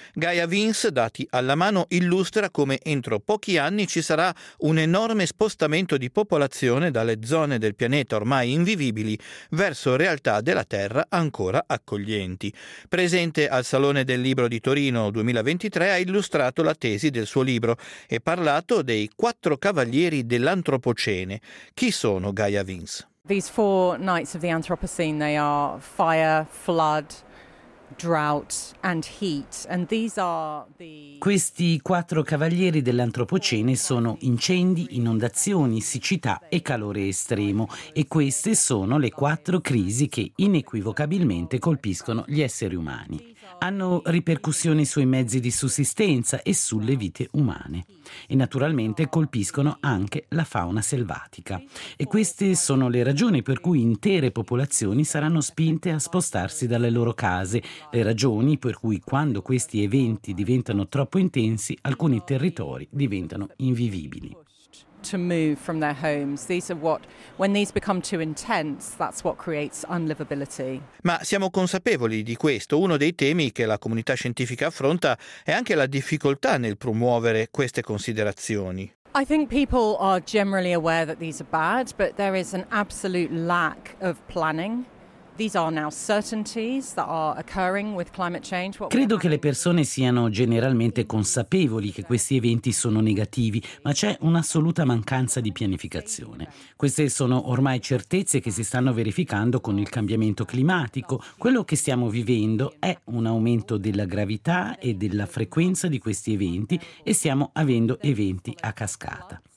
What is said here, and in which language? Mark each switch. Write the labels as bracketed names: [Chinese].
[Italian] Gaia Vince, dati alla mano, illustra come entro pochi anni ci sarà un enorme spostamento di popolazione dalle zone del pianeta ormai invivibili verso realtà della Terra ancora accoglienti. Presente al Salone del Libro di Torino 2023, ha illustrato la tesi del suo libro e parlato dei quattro cavalieri dell'antropocene. Chi sono Gaia Vince? [English] These four knights of the Anthropocene, they are fire, flood, drought and heat. And these are the... [Italian] Questi quattro cavalieri dell'antropocene sono incendi, inondazioni, siccità e calore estremo, e queste sono le quattro crisi che inequivocabilmente colpiscono gli esseri umani. Hanno ripercussioni sui mezzi di sussistenza e sulle vite umane. E naturalmente colpiscono anche la fauna selvatica. E queste sono le ragioni per cui intere popolazioni saranno spinte a spostarsi dalle loro case, le ragioni per cui quando questi eventi diventano troppo intensi, alcuni territori diventano invivibili. [English] To move from their homes. These are what, when these become too intense, that's what creates unlivability. [Italian] Ma siamo consapevoli di questo. Uno dei temi che la comunità scientifica affronta è anche la difficoltà nel promuovere queste considerazioni. [English] I think people are generally aware that these are bad, but there is an absolute lack of planning. These are now certainties that are occurring with climate change. [Italian] Credo che le persone siano generalmente consapevoli che questi eventi sono negativi, ma c'è un'assoluta mancanza di pianificazione. Queste sono ormai certezze che si stanno verificando con il cambiamento climatico. Quello che stiamo vivendo è un aumento della gravità e della frequenza di questi eventi, e stiamo avendo eventi a cascata.